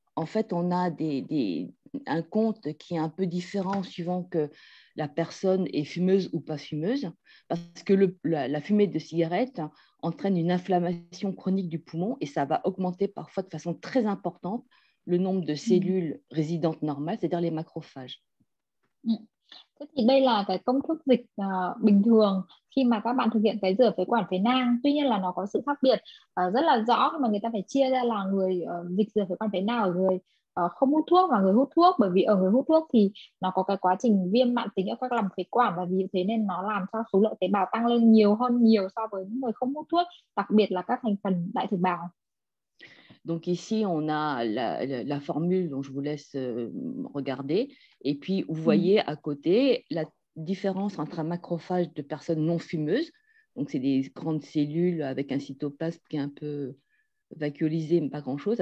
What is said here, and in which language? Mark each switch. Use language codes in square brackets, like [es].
[fr] En fait, on a un compte qui est un peu différent suivant que la personne est fumeuse ou pas fumeuse, parce que la fumée de cigarette entraîne une inflammation chronique du poumon et ça va augmenter parfois de façon très importante le nombre de cellules résidentes normales, c'est-à-dire les macrophages. [vi] Thế thì đây là cái công thức dịch bình thường khi mà các bạn thực hiện cái rửa phế quản phế nang. Tuy nhiên là nó có sự khác biệt rất là rõ mà người ta phải chia ra là người dịch rửa phế quản phế nang ở người không hút thuốc và người hút thuốc, bởi vì ở người hút thuốc thì nó có cái quá trình viêm mạn tính ở các lòng phế quản và vì thế nên nó làm cho số lượng tế bào tăng lên nhiều hơn nhiều so với những người không hút thuốc, đặc biệt là các thành phần đại thực bào. [fr] Donc ici, on a la formule dont je vous laisse regarder. Et puis, vous voyez à côté la différence entre un macrophage de personnes non fumeuses. Donc, c'est des grandes cellules avec un cytoplasme qui est un peu vacuolisé, mais pas grand-chose.